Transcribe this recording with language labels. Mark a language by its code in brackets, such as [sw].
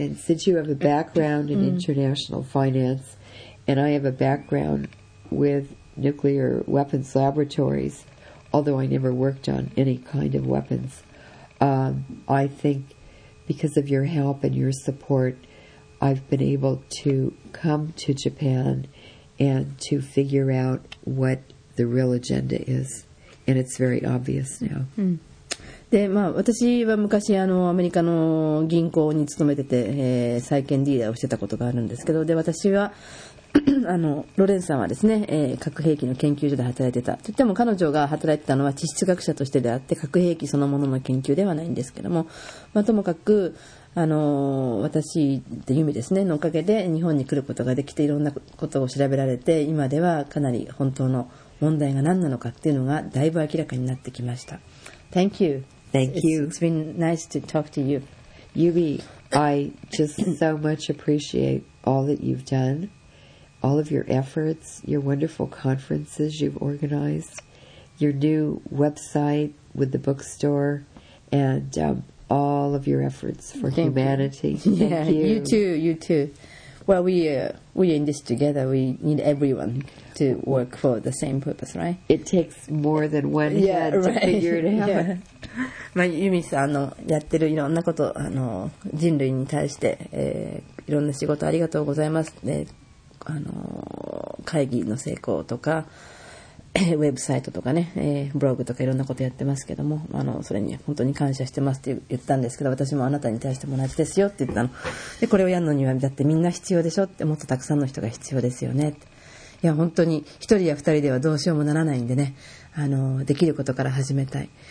[en] And since you have a background in international finance and I have a background with nuclear weapons laboratories, although I never worked on any kind of weapons, I think because of your help and your support,I've been able to come to Japan and to figure out what the real agenda is, and it's very obvious now. [ja] で、まあ、私は昔あのアメリカの銀行に勤めてて、債券ディーラーをしてたことがあるんですけど、で私はあのロレンさんはですね、核兵器の研究所で働いてた。といっても彼女が働いてたのは地質学者としてであって、核兵器そのものの研究ではないんですけども、まあ、ともかく。あの私って由美ですねのおかげで日本に来ることができて、いろんなことを調べられて、今ではかなり本当の問題が何なのかっていうのがだいぶ明らかになってきました。 [en] Thank you. Thank you. It's been nice to talk to you. Yubi, I just so much appreciate all that you've done, all of your efforts, your wonderful conferences you've organized, your new website with the bookstore, andall of your efforts for Thank humanity. You. Yeah, Thank you. You too, you too. Well, we're in this together. We need everyone to work for the same purpose, right? It takes more than one head right. to figure it out. Yeah. [ja] まあ、ユミさん、あの、やってるいろんなこと、あの、人類に対して、いろんな仕事ありがとうございます。で、あの、会議の成功とか、ウェブサイトとかね、ブログとかいろんなことやってますけども、あのそれに本当に感謝してますって言ったんですけど、私もあなたに対しても同じですよって言ったので、これをやるのにはだってみんな必要でしょって、もっとたくさんの人が必要ですよねって、いや本当に一人や二人ではどうしようもならないんでね、あのできることから始めたい。